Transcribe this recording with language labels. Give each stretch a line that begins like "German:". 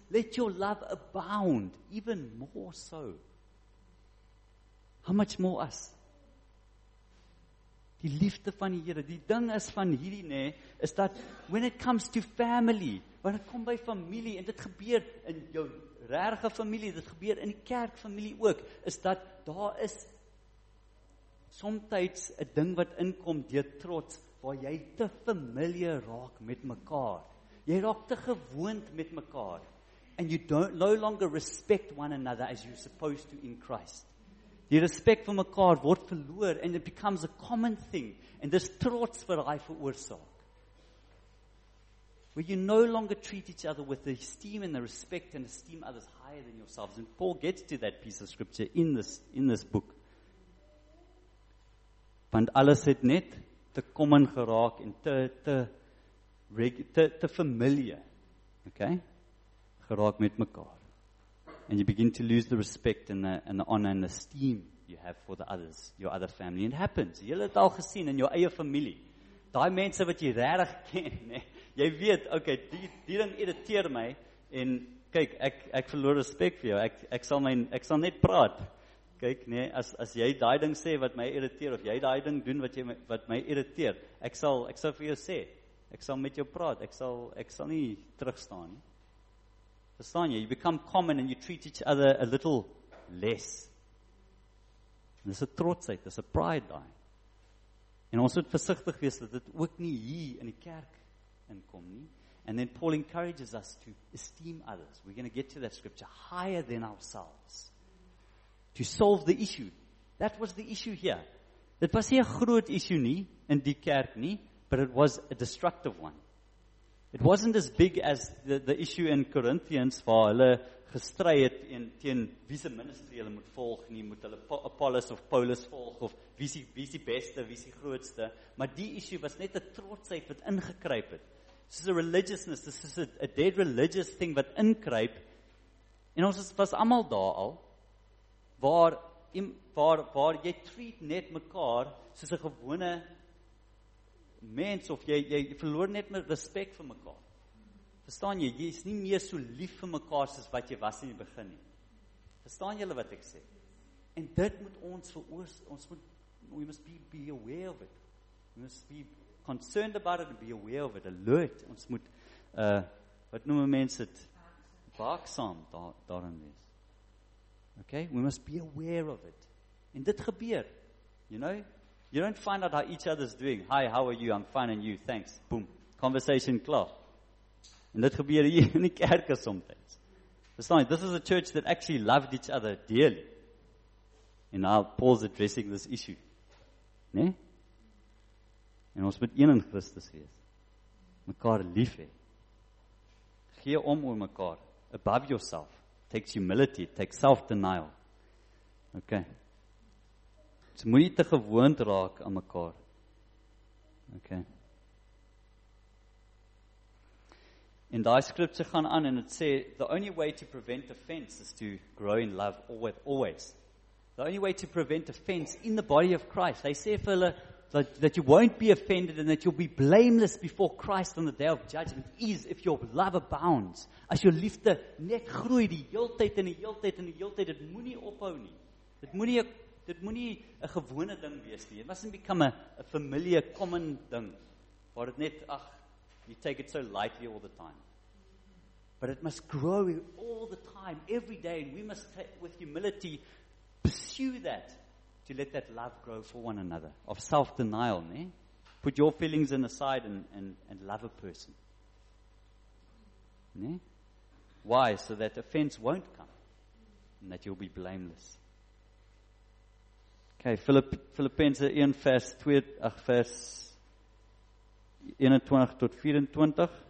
English: Let your love abound even more so. How much more us?
Afrikaans: die liefde van die Here, die ding is van hierdie nê, is dat
English: when it comes to family,
Afrikaans: wat dit kom by familie en dit gebeur in jou regte familie, dit gebeur in die kerkfamilie ook, is dat daar is somtyds 'n ding wat inkom deur trots waar jy te familiar raak met mekaar. Jy raak te gewoond met mekaar.
English: And you don't no longer respect one another as you're supposed to in Christ.
Afrikaans: Die respek vir mekaar word verloor
English: and it becomes a common thing and this
Afrikaans: trots vir daai veroorsaak.
English: Where you no longer treat each other with the esteem and the respect and esteem others higher than yourselves. And Paul gets to that piece of scripture in this book.
Afrikaans: Want alles het net te common geraak en te familiar. Okay? Geraak met mekaar.
English: And you begin to lose the respect and the honor and esteem you have for the others, your other family. And it happens.
Afrikaans: Jy het al gesien in jou eie familie. Daai mense wat jy regtig ken, nê. Jy weet, okay, die ding irriteer my en kyk, ek verloor respek vir jou. Ek sal net praat. Kyk, nê, as jy daai ding sê wat my irriteer of jy daai ding doen wat my irriteer, ek sal vir jou sê. Ek sal met jou praat. Ek sal nie terugstaan nie.
English: Sonia, you become common and you treat each other a little less.
Afrikaans: Dis 'n trotsheid, dis 'n pride daai. En ons moet versigtig wees dat dit ook nie hier in die kerk inkom nie.
English: And then Paul encourages us to esteem others. We're going to get to that scripture higher than ourselves. To solve the issue. That was the issue here.
Afrikaans: Dit was nie 'n groot issue nie in die kerk nie,
English: but it was a destructive one. It wasn't as big as the issue in Corinthians waar hulle gestry het teen wie se ministerie hulle moet volg nie, moet hulle Apollos of Paulus volg of wie is die beste, wie is die grootste, maar die issue was net 'n trotsheid wat ingekruip het. This is a religiousness, this is a dead religious thing
Afrikaans: wat inkruip. En ons was almal daar al waar jy treat net mekaar soos 'n gewone mens, of jy verloor net met respek vir mekaar. Verstaan jy? Jy is nie meer so lief vir mekaar soos wat jy was in die begin nie. Verstaan julle wat ek sê? En dit moet ons
English: we must be aware of it. We must be concerned about it and be aware of it, alert.
Afrikaans: Ons moet, wat noem mense dit? Waaksaam daarin wees. Okay?
English: We must be aware of it.
Afrikaans: En dit gebeur,
English: you know? You don't find out how each other's doing. Hi, how are you? I'm fine, and you? Thanks. Boom. Conversation klaar.
Afrikaans: En dit gebeur hier in die kerke soms. Verstaan jy?
English: This is a church that actually loved each other dearly. And now Paul's addressing this issue.
Afrikaans: Né? En ons moet een in Christus wees. Mekaar lief hê. Gee om oor mekaar.
English: Above yourself. Takes humility. Takes self-denial. Okay.
Afrikaans: Dit moet nie te gewoond raak aan mekaar.
English: Okay.
Afrikaans: En daai skripse gaan aan en dit sê
English: the only way to prevent offense is to grow in love always. The only way to prevent offense in the body of Christ. They say for hulle that you won't be offended and that you'll be blameless before Christ on the day of judgment is if your love abounds.
Afrikaans: As jou liefde net groei die heeltyd en die heeltyd en die heeltyd, dit moenie ophou nie. Dit moenie 'n gewone ding wees nie.
English: It mustn't become a familiar, common
Afrikaans: ding. Waar dit net,
English: you take it so lightly all the time. But it must grow all the time, every day. And we must, with humility, pursue that. To let that love grow for one another. Of self-denial, ne? Put your feelings in the side and love a person. Ne? Why? So that offense won't come. And that you'll be blameless.
Afrikaans: Okay, Filippense 1 vers 2, vers 21 tot 24.